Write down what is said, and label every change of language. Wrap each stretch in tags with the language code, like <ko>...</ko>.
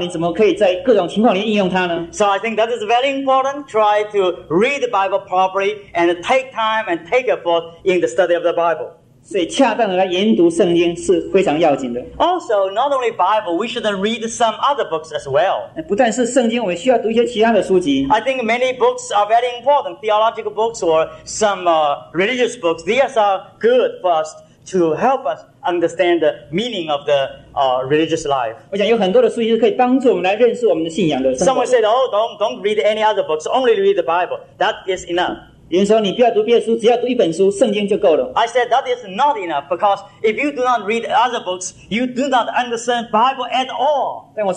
<zh>如果没有一个概念性的一个认识的话，你怎么可以在各种情况里应用它呢？</zh> <en>So I think that is very important. Try to read the Bible properly and take time and take effort in the study of the Bible.</en> <zh>所以恰当的来研读圣经是非常要紧的。</zh> <en>Also, not only Bible, we should read some other books as well.</en> <zh>不但是圣经，我们需要读一些其他的书籍。</zh> <en>I think many books are very important, theological books or some religious books. These are good for us to help us understand the meaning of the religious life. Someone said, don't read any other books, only read the Bible. That is enough.</en> <zh>有人说你不要读别的书，只要读一本书，圣经就够了。</zh> <en>I said that is not enough, because if you do not read other books, you do not understand Bible at all.</en>